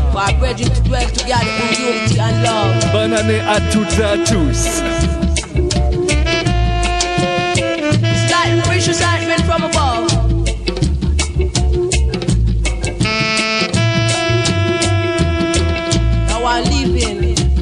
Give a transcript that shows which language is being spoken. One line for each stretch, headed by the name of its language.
English: For our brethren to dwell together in unity and love.
French: Bonne année à toutes et à tous.
English: It's like a precious ointment from above. Now I'm leaving.